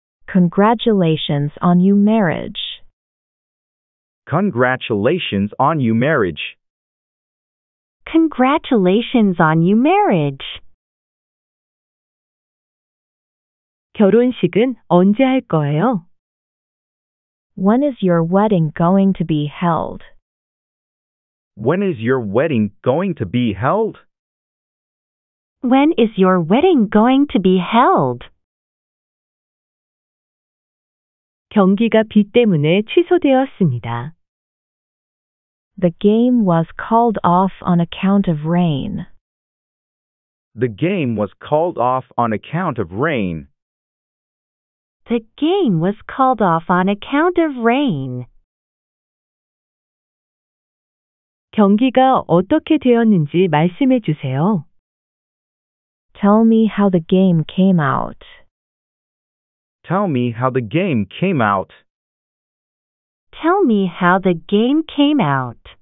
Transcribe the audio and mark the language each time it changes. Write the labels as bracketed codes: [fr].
[en] Congratulations on your marriage. Congratulations on your marriage. Congratulations on your marriage. Congratulations on your marriage. [ko] 결혼식은 언제 할 거예요? [en] When is your wedding going to be held? When is your wedding going to be held? When is your wedding going to be held? [ko] 경기가 비 때문에 취소되었습니다. [en] The game was called off on account of rain. The game was called off on account of rain. The game was called off on account of rain. [ko] 경기가 어떻게 되었는지 말씀해 주세요. [en] Tell me how the game came out. Tell me how the game came out. Tell me how the game came out.